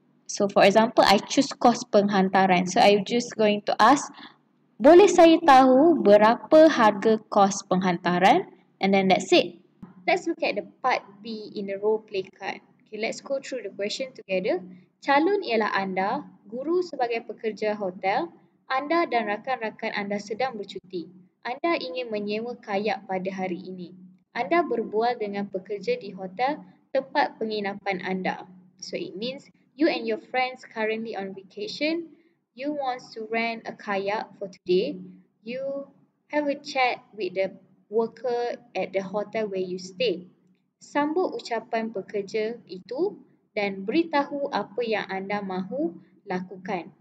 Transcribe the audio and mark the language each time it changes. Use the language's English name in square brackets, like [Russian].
[English] So for example, I choose kos penghantaran. So I'm just going to ask, [Malay] boleh saya tahu berapa harga kos penghantaran? [English] And then that's it. Let's look at the part B in the role play card. Okay, let's go through the question together. [Malay] Calon ialah anda, guru sebagai pekerja hotel, anda dan rakan-rakan anda sedang bercuti. Anda ingin menyewa kayak pada hari ini. Anda berbual dengan pekerja di hotel tempat penginapan anda. [English] So it means you and your friends currently on vacation. You want to rent a kayak for today. You have a chat with the worker at the hotel where you stay. [Malay] Sambut ucapan pekerja itu dan beritahu apa yang anda mahu lakukan.